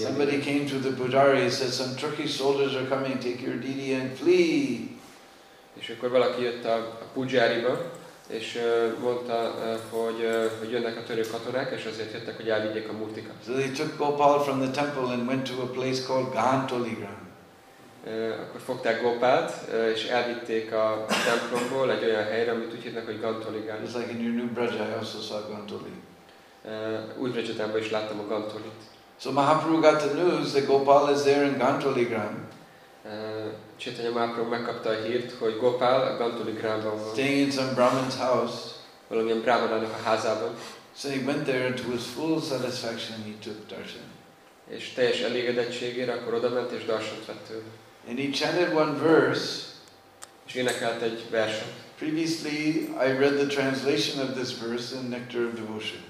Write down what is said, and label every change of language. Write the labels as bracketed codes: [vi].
[en] Somebody came to the Pujari and said, some Turkish soldiers are coming, take your didi and flee. [hu] És akkor valaki jött a Pujariba, és mondta, hogy jönnek a török katonák, és azért jöttek, hogy elvigyék a murtikat. [en] So they took Gopal from the temple and went to a place called Gantoligram. [hu] Akkor fogták Gopát, és elvitték a templomból egy olyan helyre, amit úgy hívnak, hogy Gantoligán. [en] It's like in your new Braja, I also saw Gantoli. [hu] Új Brajatánban is láttam a Gantolit. [en] So Mahaprabhu got the news that Gopal is there in Gantoligram. [hu] Chaitanya Mahaprabhu megkapta a hírt, hogy Gopal a Gantoligramban van. [en] Staying in some Brahmin's house. [hu] Valamilyen Brahmanának a házában. [en] So he went there to his full satisfaction he took darshan. [hu] És teljes elégedettségére akkor odament és darshant vett tőle. [en] And he chanted one verse. [hu] És énekelt egy verset. [en] Previously I read the translation of this verse in Nectar of Devotion.